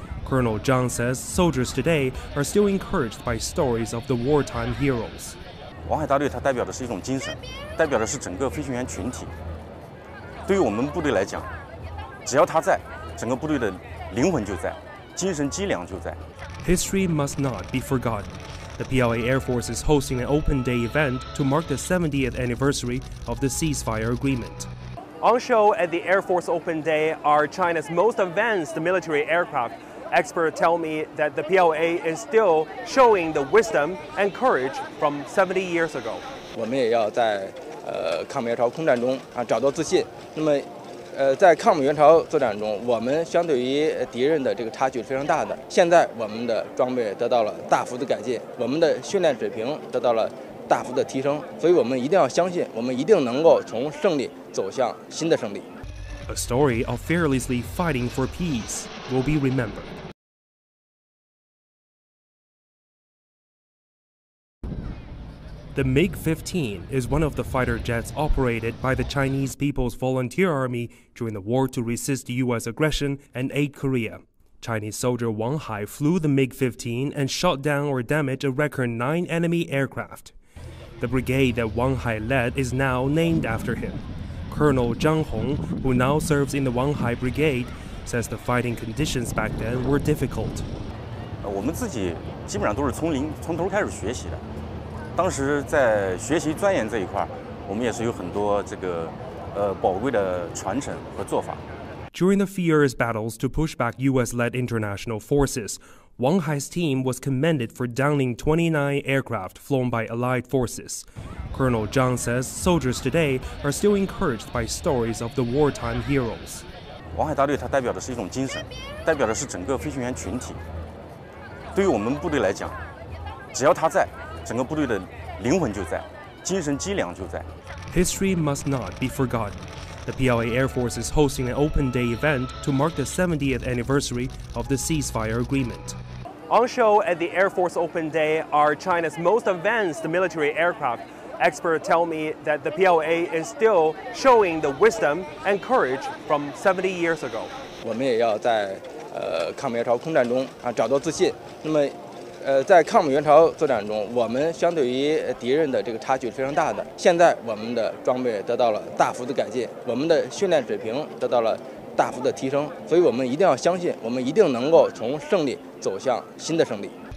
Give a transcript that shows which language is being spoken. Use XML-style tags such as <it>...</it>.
<en>Colonel Zhang says soldiers today are still encouraged by stories of the wartime heroes.</en> <zh>王海大队他代表的是一种精神，代表的是整个飞行员群体。对于我们部队来讲，只要他在，整个部队的</zh> <en>History must not be forgotten. The PLA Air Force is hosting an open day event to mark the 70th anniversary of the ceasefire agreement. On show at the Air Force Open Day are China's most advanced military aircraft. Experts tell me that the PLA is still showing the wisdom and courage from 70 years ago.</en> <zh>我们也要在抗美援朝空战中啊找到自信。那么，在抗美援朝作战中，我们相对于敌人的这个差距是非常大的。现在我们的装备得到了大幅的改进，我们的训练水平得到了大幅的提升，所以我们一定要相信，我们一定能够从胜利走向新的胜利。</zh> <en>A story of fearlessly fighting for peace will be remembered. The MiG-15 is one of the fighter jets operated by the Chinese People's Volunteer Army during the war to resist U.S. aggression and aid Korea. Chinese soldier Wang Hai flew the MiG-15 and shot down or damaged a record 9 enemy aircraft. The brigade that Wang Hai led is now named after him. Colonel Zhang Hong, who now serves in the Wang Hai Brigade, says the fighting conditions back then were difficult.</en> <zh>我们自己基本上都是从零从头开始学习的。当时在学习钻研这一块，我们也是有很多这个宝贵的传承和做法。</zh> <en>During the fierce battles to push back U.S.-led international forces, Wang Hai's team was commended for downing 29 aircraft flown by Allied forces. Colonel Zhang says soldiers today are still encouraged by stories of the wartime heroes.</en> <zh>Wang Hai 大队它代表的是一种精神，代表的是整个飞行员群体。对于我们部队来讲，只要他在，整个部队的灵魂就在，精神脊梁就在。</zh> <en>History must not be forgotten. The PLA Air Force is hosting an open day event to mark the 70th anniversary of the ceasefire agreement. On show at the Air Force Open Day are China's most advanced military aircraft. Experts tell me that the PLA is still showing the wisdom and courage from 70 years ago.</en> <zh>我们也要在抗美援朝空战中啊找到自信。那么，在抗美援朝作战中，我们相对于敌人的这个差距是非常大的。现在我们的装备得到了大幅的改进，我们的训练水平得到了大幅的提升，所以我们一定要相信，我们一定能够从胜利走向新的胜利。</zh>